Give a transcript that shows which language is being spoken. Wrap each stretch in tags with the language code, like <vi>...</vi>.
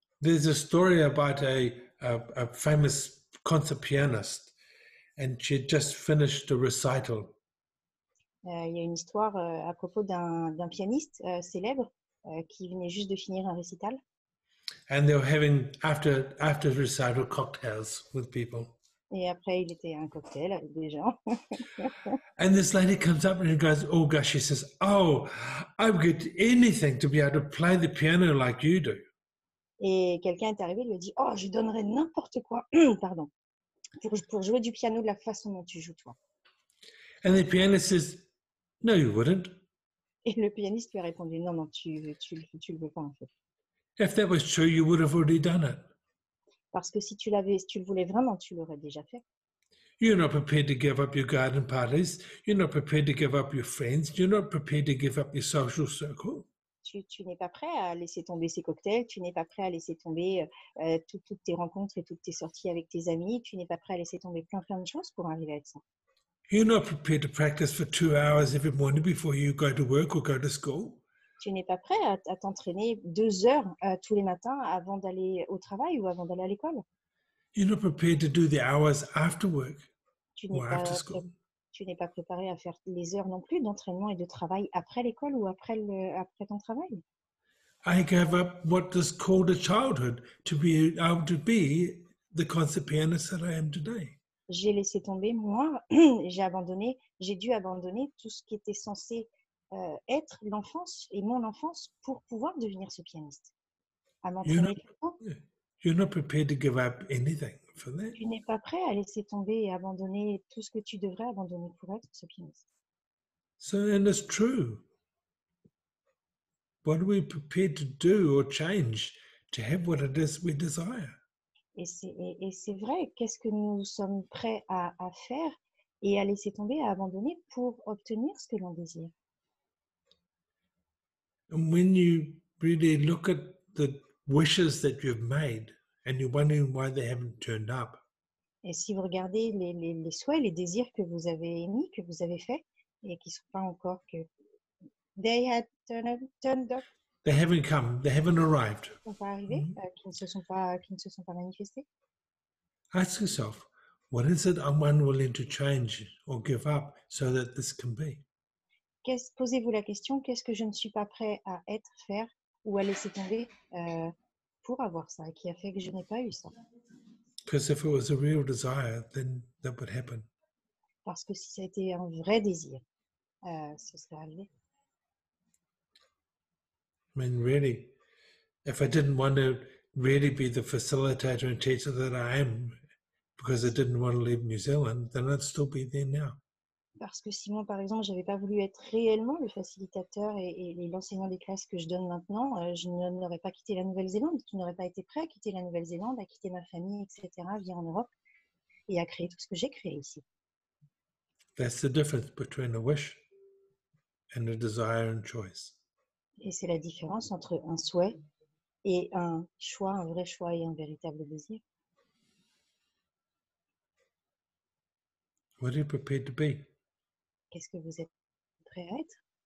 <en>There's a story about a famous concert pianist, and she had just finished a recital.</en> <fr>Il y a une histoire à propos d'un pianiste célèbre qui venait juste de finir un récital.</fr> <en>And they were having after the recital cocktails with people.</en> <fr>Et après, il était un cocktail avec des gens.</fr> <en>And this lady comes up and goes, oh gosh, she says, oh, I would get anything to be able to play the piano like you do.</en> <fr>Et quelqu'un est arrivé et lui a dit, oh, je donnerais n'importe quoi, pardon, pour jouer du piano de la façon dont tu joues, toi.</fr> <en>And the pianist says, no, you wouldn't.</en> <fr>Et le pianiste lui a répondu, non, tu le veux pas, en fait.</fr> <en>If that was true, you would have already done it.</en> <fr>Parce que si tu le voulais vraiment, tu l'aurais déjà fait.</fr> <en>You're not prepared to give up your garden parties. You're not prepared to give up your friends. You're not prepared to give up your social circle.</en> <fr>Tu n'es pas prêt à laisser tomber ces cocktails. Tu n'es pas prêt à laisser tomber toutes tes rencontres et toutes tes sorties avec tes amis. Tu n'es pas prêt à laisser tomber plein de choses pour arriver à ça.</fr> <en>You're not prepared to practice for 2 hours every morning before you go to work or go to school.</en> <fr>tu n'es pas prêt à t'entraîner 2 heures tous les matins avant d'aller au travail ou avant d'aller à l'école.</fr> <en>You're not prepared to do the hours after work or after school.</en> <fr>Tu n'es pas préparé à faire les heures non plus d'entraînement et de travail après l'école ou après ton travail.</fr> <en>I gave up what is called a childhood to be able to be the concert pianist that I am today.</en> <fr>J'ai laissé tomber, moi, j'ai dû abandonner tout ce qui était censé être l'enfance et mon enfance pour pouvoir devenir ce pianiste. À m'entraîner tout.</fr> <en>You're not prepared to give up anything for that.</en> <fr>Tu n'es pas prêt à laisser tomber et abandonner tout ce que tu devrais abandonner pour être ce pianiste.</fr> <en>So then it's true. What are we prepared to do or change to have what it is we desire?</en> <fr>Et c'est vrai, qu'est-ce que nous sommes prêts à faire et à laisser tomber, à abandonner pour obtenir ce que l'on désire?</fr> <en>And when you really look at the wishes that you've made and you're wondering why they haven't turned up.</en> <fr>Et si vous regardez les souhaits, les désirs que vous avez émis, que vous avez faits et qui ne sont pas encore que...</fr> <en>They had turned up. They haven't come. They haven't arrived.</en> <fr>Ils ne sont pas arrivés, qui ne se sont pas manifestés.</fr> <en>Ask yourself, what is it I'm unwilling to change or give up so that this can be?</en> <fr>Posez-vous la question, qu'est-ce que je ne suis pas prêt à être, faire ou à laisser tomber pour avoir ça et qui a fait que je n'ai pas eu ça?</fr> <en>Because if it was a real desire, then that would happen.</en> <fr>Parce que si ça a été un vrai désir, ce serait arrivé.</fr> <en>I mean, really, if I didn't want to really be the facilitator and teacher that I am, because I didn't want to leave New Zealand, then I'd still be there now.</en> <fr>Parce que si moi, par exemple, j'avais pas voulu être réellement le facilitateur et l'enseignant des classes que je donne maintenant, je n'aurais pas quitté la Nouvelle-Zélande. Tu n'aurais pas été prêt à quitter la Nouvelle-Zélande, à quitter ma famille, etc., à vivre en Europe et à créer tout ce que j'ai créé ici.</fr> <en>That's the difference between a wish and a desire and choice.</en> <fr>Et c'est la différence entre un souhait et un choix, un vrai choix et un véritable désir.</fr> <en>What are you prepared to be?</en> <fr>Qu'est-ce que vous êtes prêt à être?</fr>